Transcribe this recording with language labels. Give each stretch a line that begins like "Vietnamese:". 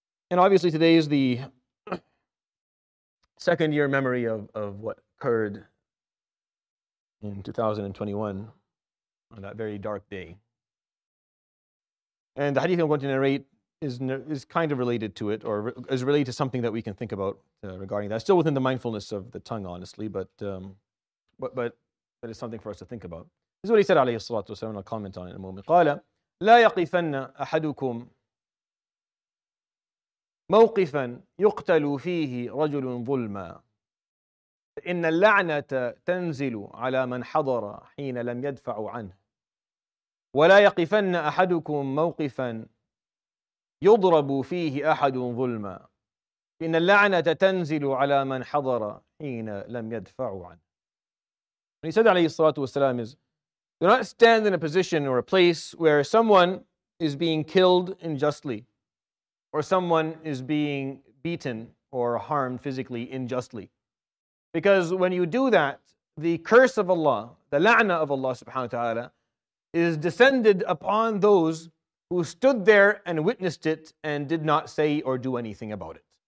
English: And obviously today is the second year memory of what occurred in 2021 on that very dark day. And the hadith I'm going to narrate is kind of related to it, or is related to something that we can think about regarding that. Still within the mindfulness of the tongue, honestly, but it's something for us to think about. This is what he said, alayhi salatu wasalam, and I'll comment on it in a moment.
Arabic: قَالَ لَا يَقِفَنَّ أَحَدُكُمْ مَوْقِفًا يُقْتَلُ فِيهِ رَجُلٌ ظُلْمًا إِنَّ اللَّعْنَةَ تَنْزِلُ عَلَى مَنْ حَضَرَ حِينَ لَمْ يَدْفَعُ عَنْهُ ولا يقفن أحدكم موقفا يضرب فيه أحد ظلما إن اللعنة تنزل على من حضر حين لم يدفع عنه.
English: He said
Arabic: عليه الصلاة والسلام
English: is do not stand in a position or a place where someone is being killed unjustly or someone is being beaten or harmed physically unjustly. Because when you do that, the curse of Allah, the لعنة of Allah subhanahu wa ta'ala is descended upon those who stood there and witnessed it and did not say or do anything about it.